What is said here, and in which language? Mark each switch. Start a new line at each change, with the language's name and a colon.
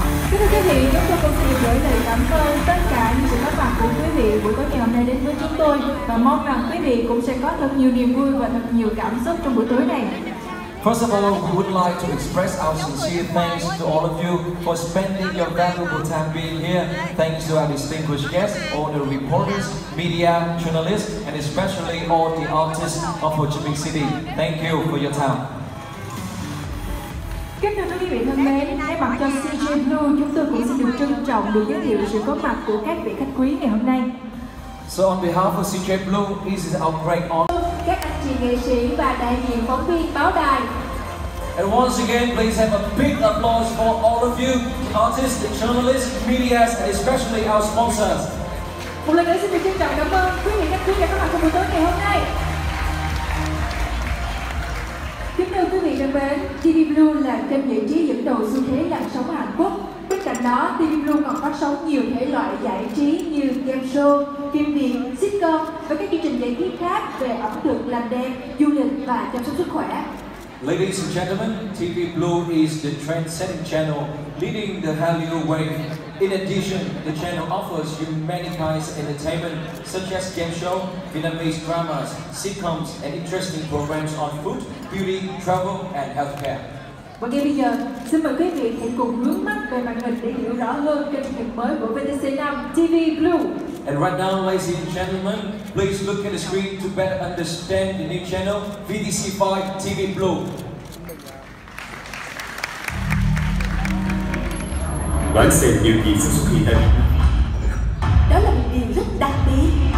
Vietnamese: Thưa quý vị, chúng tôi cũng xin được gửi lời cảm ơn tất cả những sự góp mặt của quý vị buổi tối ngày hôm nay đến với chúng tôi, và mong rằng quý vị cũng sẽ có thật nhiều niềm vui và thật nhiều cảm xúc trong buổi tối này.
English: First of all, we would like to express our sincere thanks to all of you for spending your valuable time being here. Thanks to our distinguished guests, all the reporters, media, journalists, and especially all the artists of Ho Chi Minh City. Thank you for your time.
Vietnamese: Kính thưa quý vị thân mến, thay mặt cho CJ Blue, chúng tôi cũng xin được trân trọng được giới thiệu sự có mặt của các vị khách quý ngày hôm nay.
English: So on behalf of CJ Blue, this is our great honor.
Vietnamese: Các anh chị nghệ sĩ và đại diện phóng viên báo đài.
English: And once again, please have a big applause for all of you, artists, journalists, media, and especially our sponsors.
Vietnamese: Một lần nữa xin được trân trọng cảm ơn quý vị khách quý đã có mặt trong buổi tối ngày hôm nay. Kính thưa quý vị thân mến, TV Blue là kênh giải trí dẫn đầu xu thế làn sóng Hàn Quốc. Bên cạnh đó, TV Blue còn phát sóng nhiều thể loại giải trí như game show, phim điện, sitcom và các chương trình giải trí khác về ẩm thực, làm đẹp, du lịch và chăm sóc sức khỏe.
English: Ladies and gentlemen, TV Blue is the trend-setting channel leading the Hallyu wave. In addition, the channel offers you many kinds of entertainment such as game show, Vietnamese dramas, sitcoms and interesting programs on food, beauty, travel and healthcare.
Vietnamese: Và ngay bây giờ, xin mời quý vị hãy cùng hướng mắt về màn hình để hiểu rõ hơn kênh truyền hình mới của VTC5 TV Blue.
English: And right now, ladies and gentlemen, please look at the screen to better understand the new channel, VTC5 TV Blue.
Vietnamese: Bạn xem điều gì sẽ xuất hiện đây? Đó là một điều rất đặc biệt.